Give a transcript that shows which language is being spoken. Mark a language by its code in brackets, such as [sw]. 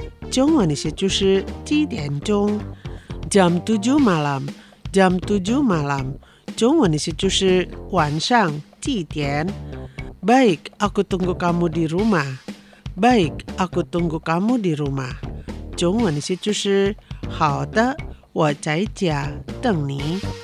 [zh] 中文是就是几点钟。 [id] Jam 7 malam jam 7 malam. [zh] 中文意思就是晚上几点。 [id] Baik, aku tunggu kamu di rumah. Baik, aku tunggu kamu di rumah. [zh] 中文意思就是好的，我在家等你。